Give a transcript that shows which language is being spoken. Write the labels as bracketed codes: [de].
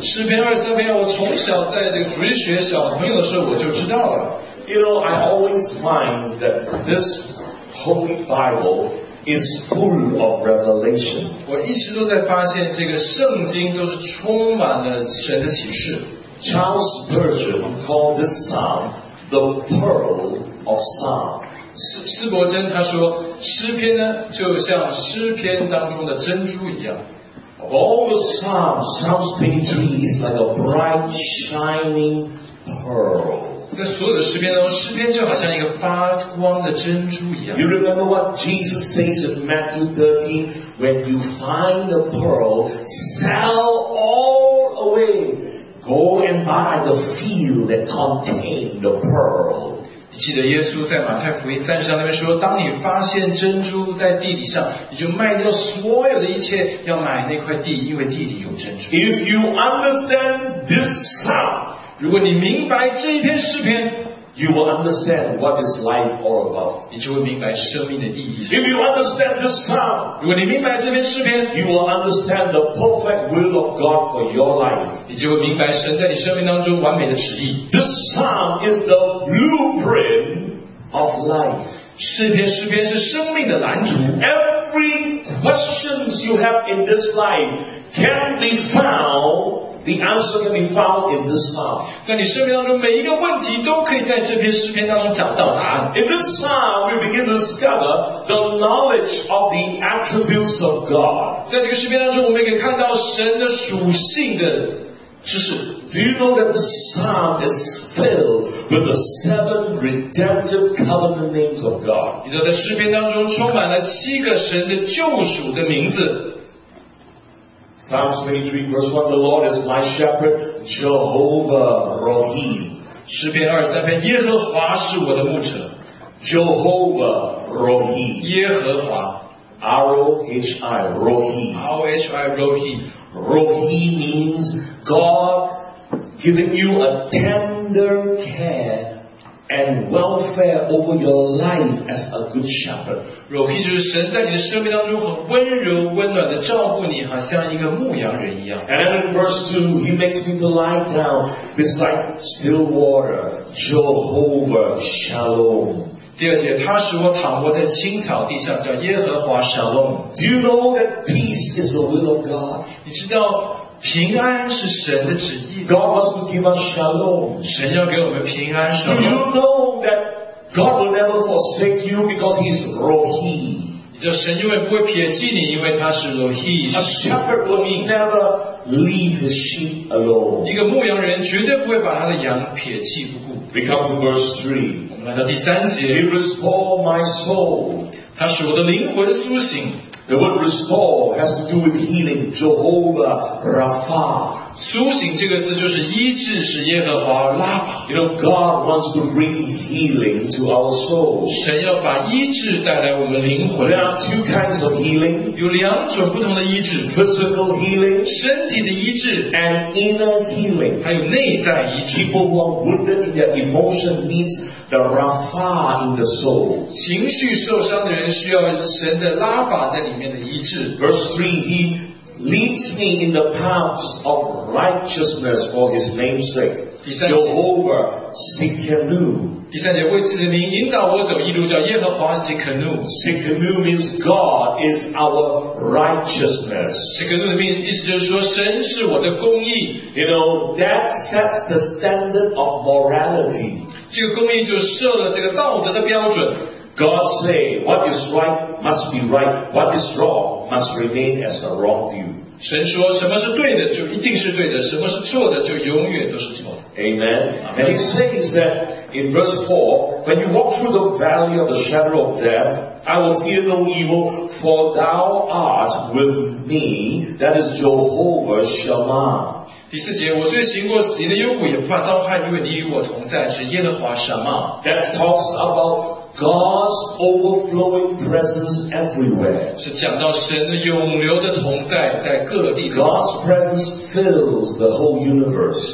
[zh] 诗篇23篇我从小在这个主日学小朋友的时候我就知道了。 [en] You know, I always find that this Holy Bible is full of revelation. [zh] 我一直都在发现这个圣经都是充满了神的启示。 [en] Charles Spurgeon called this psalm the Pearl of Psalm. [zh] 斯伯珍他说诗篇呢就像诗篇当中的珍珠一样。 [en] Of all the Psalms 23 is like a bright shining pearl. 在所有的诗篇当中，诗篇就好像一个发光的珍珠一样。 You remember what Jesus says in Matthew 13? When you find a pearl, sell all away. Go and buy the field that contained the pearl. [zh] 你记得耶稣在马太福音三十章那边说，当你发现珍珠在地底上，你就卖掉所有的一切，要买那块地，因为地里有珍珠。 [en] If you understand this sound. [zh] 如果你明白这一篇诗篇 [en] You will understand what is life all about [zh] 你就会明白生命的意义 [en] If you understand this psalm [zh] 如果你明白这篇诗篇 [en] You will understand the perfect will of God for your life [zh] 你就会明白神在你生命当中完美的旨意 [en] This psalm is the blueprint of life [zh] 诗篇是生命的蓝图 [en] Every questions you have in this life can be foundThe answer can be found in this psalm. [zh] 在你生命当中每一个问题都可以在这篇诗篇当中找到答案。 [en] In this psalm, we begin to discover the knowledge of the attributes of God. [zh] 在这个诗篇当中我们可以看到神的属性的知识。 [en] Do you know that this psalm is filled with the seven redemptive covenant names of God? [zh] 你知道在诗篇当中充满了七个神的救赎的名字。 [en] Psalms 23 verse 1 The Lord is my shepherd Jehovah Rohi [zh] 诗篇二三篇耶和华是我的牧者 [en] Jehovah Rohi [zh] 耶和华 [en] R-O-H-I Rohi R-O-H-I Rohi Rohi means God giving you a tender care and welfare over your life as a good shepherd. [zh] Rohi 就是神在你的生命当中很温柔温暖的照顾你好像一个牧羊人一样。 [en] And then in verse 2, he makes me to lie down beside still water, Jehovah Shalom. [zh] 第二节他使我躺卧在青草地上叫耶和华 Shalom. [en] Do you know that peace is the will of God? [zh] 你知道平安是神的旨意。 [en] God wants to give us shalom. [zh] 神要给我们平安 shalom. [en] Do you know that God will never forsake you because He's Rohi? [zh] 你知道神永远不会撇弃你，因为他是 Rohi. [en] A shepherd will never leave his sheep alone. [zh] 一个牧羊人绝对不会把他的羊撇弃不顾。 [en] We come to verse 3. [zh] 我们来到第三节。 [en] He restores my soul. [zh] 他使我的灵魂苏醒。 [en] The word restore has to do with healing, Jehovah Rapha. [zh] 苏醒这个字就是医治，是耶和华拉巴。 [en] You know, God wants to bring healing to our souls. [zh] 神要把医治带来我们灵魂。 [en] There are two kinds of healing. [zh] 有两种不同的医治。 [en] Physical healing. [zh] 身体的医治。 [en] And inner healing. [zh] 还有内在医治。 [en] People who are wounded in their emotion needs the Rapha in the soul. [zh] 情绪受伤的人需要神的拉巴在里面的医治。 [en] Verse 3, he leads me in the paths of righteousness for his name's sake. Jehovah Sikhenu. [zh] 第三节为自己的名引导我走一路叫耶和华 Sikhenu. [en] Sikhenu means God is our righteousness. [zh] Sikhenu 的意思就是说神是我的公义。 [en] You know, that sets the standard of morality. [zh] 这个公义就设了这个道德的标准。 [en] God say, what is right must be right, what is wrong must remain as a wrong view. [zh] 神说什么是对的就一定是对的，什么是错的就永远都是错的。 [en] Amen. And he says that in verse 4, when you walk through the valley of the shadow of death, I will fear no evil, for thou art with me, that is Jehovah Shammah. [zh] 第四节，我虽行过死荫的幽谷，也不怕遭害，因为你与我同在，是耶和华神嘛。 [en] That talks about God's overflowing presence everywhere. [zh] 是讲到神的永留的同在，在各地。 [en] God's presence fills the whole universe.